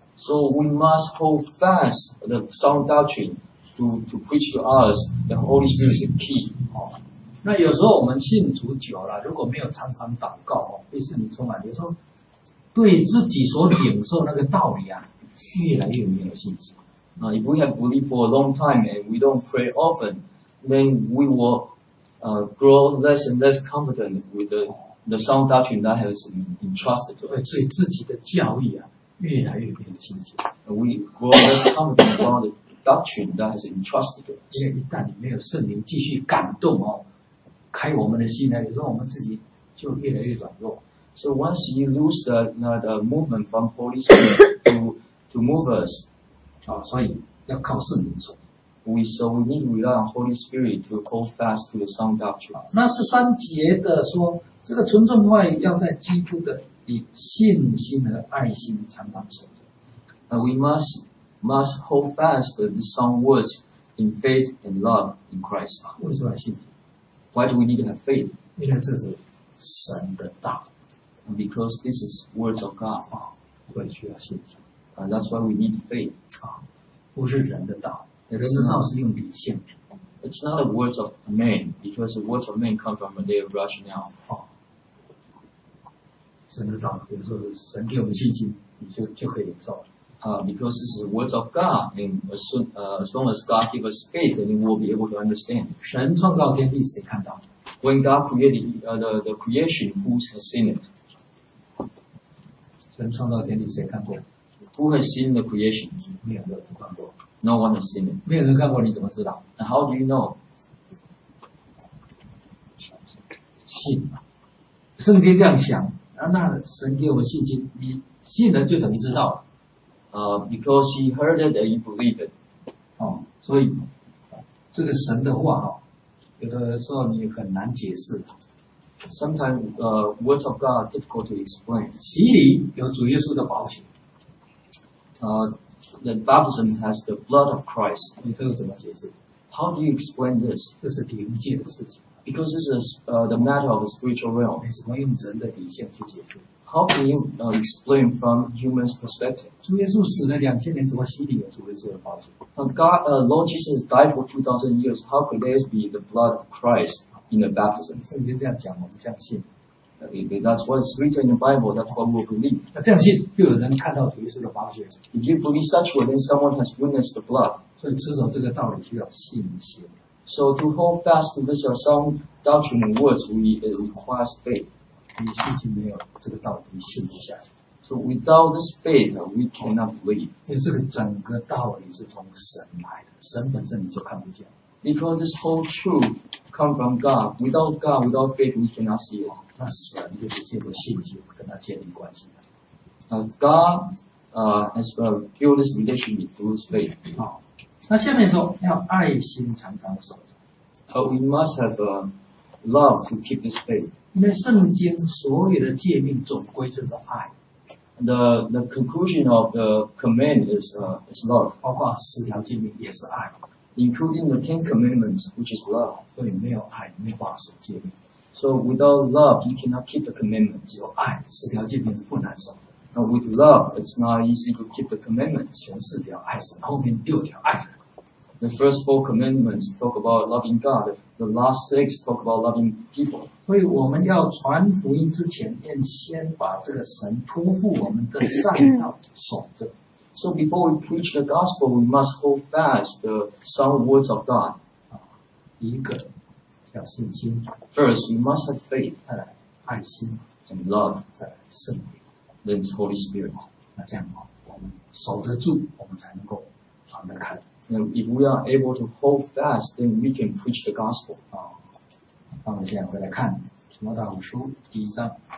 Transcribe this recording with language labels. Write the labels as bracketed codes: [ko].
[en] So we must hold fast the sound doctrine to preach to us. The Holy Spirit is the key. [zh] 那有时候我们信主久了，如果没有常常祷告，被圣灵充满，有时候对自己所领受那个道理啊，越来越没有信心。 [en] If we have believed for a long time and we don't pray often, then we will grow less and less confident with the sound doctrine that has been entrusted to us. [zh] 对自己的教义啊。越来越没有信心。 [en] We grow less confident about the doctrine that has entrusted us. [zh] 因为一旦你没有圣灵继续感动哦，开我们的心呢，有时候我们自己就越来越软弱。 [en] So once you lose the movement from Holy Spirit to move us, [zh] 所以要靠圣灵说。 [en] So we need to rely on Holy Spirit to hold fast to the sound doctrine. [zh] 那是三节的说，这个纯正话语要在基督的。以信心和爱心常常守着。 [en] We must hold fast the sound words in faith and love in Christ. [zh] 为什么要信主？ [en] Why do we need to have faith? [zh] 因为这是神的道。 [en] And because this is words of God. [zh] 所以需要信心。 [en] That's why we need faith. [zh] 不是人的道。人的道是用理性。 [en] It's not the words of man, because the words of man come from their rationale. [zh] 神的道，比如说神给我们信心，你就可以领受了。 [en] Because this is the words of God, and as long as God gives us faith, then we will be able to understand. [zh] 神创造天地，谁看到 [en] ？When God created the creation, who has seen it? [zh] 神创造天地，谁看过 [en] ？Who has seen the creation? [zh] 没有人看过。 [en] No one has seen it. [zh] 没有人看过，你怎么知道 [en] ？And how do you know? [zh] 信，圣经这样讲。那神给我信心，你信了就等于知道了。 [en] Because he heard it and he believed it. [zh] 所以这个神的话有的时候你很难解释。 [en] Sometimes, words of God are difficult to explain. [zh] 洗礼有主耶稣的宝血。 [en] The baptism has the blood of Christ. [zh] 你这个怎么解释？ [en] How do you explain this? [zh] 这是灵界的事情。 [en] Because this is the matter of the spiritual realm. [zh] 你怎么用人的理性去解释？ [en] How can you explain from human's perspective? [zh] 主耶稣死了两千年，怎么洗礼有主耶稣的宝血？ [en] Lord Jesus died for 2,000 years. How could there be the blood of Christ in the baptism? [zh] 圣经这样讲，我们这样信。 [en] That's what's written in the Bible. That's what we believe. [zh] 那这样信，就有人看到主耶稣的宝血。 [en] If you believe such, then someone has witnessed the blood. [zh] 所以持守这个道理需要信心。 [en] So to hold fast to this sound doctrine and words, it requires faith. [zh] 你信心没有这个道理，你信不下去。 [en] So without this faith, we cannot believe. [zh] 因为这个整个道理是从神来的，神本身你就看不见。 [en] Because this whole truth comes from God. Without God, without faith, we cannot see it. [zh] 那神就是借着信心跟他建立关系的。 [en] God has built this relationship through his faith. [zh] 那下面说要爱心常常守着。 [en] We must have love to keep this faith. [zh] 因为圣经所有的诫命总归就是爱。 [en] The conclusion of the command is love. [zh] 包括十条诫命也是爱。 [en] Including the Ten Commandments, which is love. [zh] 所以没有爱，没有办法守诫命。 [en] So without love, you cannot keep the commandments. [zh] 只有爱，十条诫命是不难守的。 [en] With love, it's not easy to keep the commandments. [zh] 全四条爱神，后面六条爱人。 [en] The first four commandments talk about loving God. The last six talk about loving people. [zh] 所以我们要传福音之前，要先把这个神托付我们的善道守着。 [en] So before we preach the gospel, we must hold fast the sound words of God. [zh] 一个要信心。 [en] First, you must have faith. [zh] 再来爱心。 [en] And love. [zh] 再来圣灵。 [en] Then it's Holy Spirit. [zh] 那这样我们守得住，我们才能够传得开。 [en] And if we are able to hold fast, then we can preach the gospel. [zh] 那我们现在回来看提摩太书第一章。